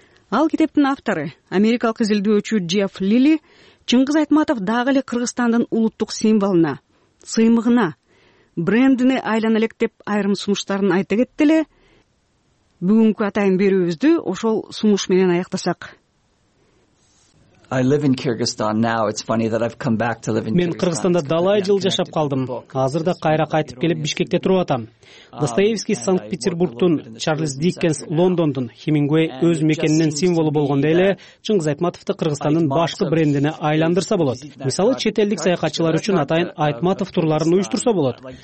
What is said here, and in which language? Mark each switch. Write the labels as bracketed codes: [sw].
[ky] Ал китептин автору, америкалык изилдөөчү Джефф Лили, Чыңгыз Айтматов дагы эле Кыргызстандын улуттук символуна, сыймыгына, брендине айлана элек деп айрым сунуштарын айта кетти эле. Бүгүнкү атайын берүүбүздү ошол сунуш менен аяктасак. [en] I live in Kyrgyzstan now. It's funny that I've come back to live in. [ky] Мен Кыргызстанда далай жыл жашап калдым. Азыр да кайра кайтып келип Бишкекте туруп атам. Достоевский Санкт-Петербургтун, Чарльз Диккенс Лондондун, Хемингуэй өз мекенинин символу болгондой эле Чыңгыз Айтматовду Кыргызстандын башкы брендине айландырса болот. Мисалы, чет элдик саякатчылар үчүн атайын Айтматов турларын уюштурса болот.